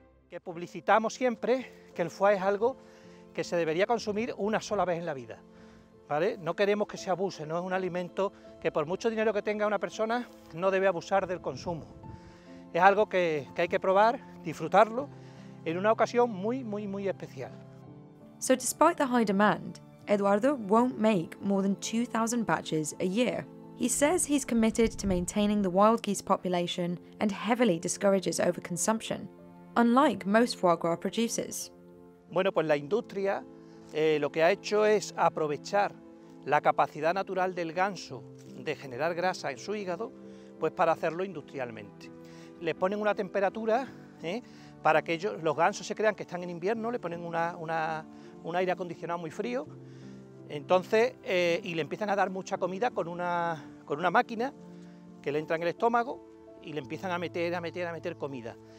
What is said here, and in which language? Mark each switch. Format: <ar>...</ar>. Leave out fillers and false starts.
<es>Que publicitamos siempre que el foie es algo que se debería consumir una sola vez en la vida, ¿vale? No queremos que se abuse, no es un alimento que por mucho dinero que tenga una persona, no debe abusar del consumo. Es algo que hay que probar, disfrutarlo, en una ocasión muy, muy, muy especial.</es> <en>So despite the high demand, Eduardo won't make more than 2,000 batches a year. He says he's committed to maintaining the wild geese population and heavily discourages overconsumption, unlike most foie gras producers.</en> <es>Bueno, pues la industria lo que ha hecho es aprovechar la capacidad natural del ganso de generar grasa en su hígado, pues para hacerlo industrialmente. Les ponen una temperatura para que ellos, los gansos se crean que están en invierno, le ponen un aire acondicionado muy frío, entonces, y le empiezan a dar mucha comida con una máquina que le entra en el estómago y le empiezan a meter comida.</es>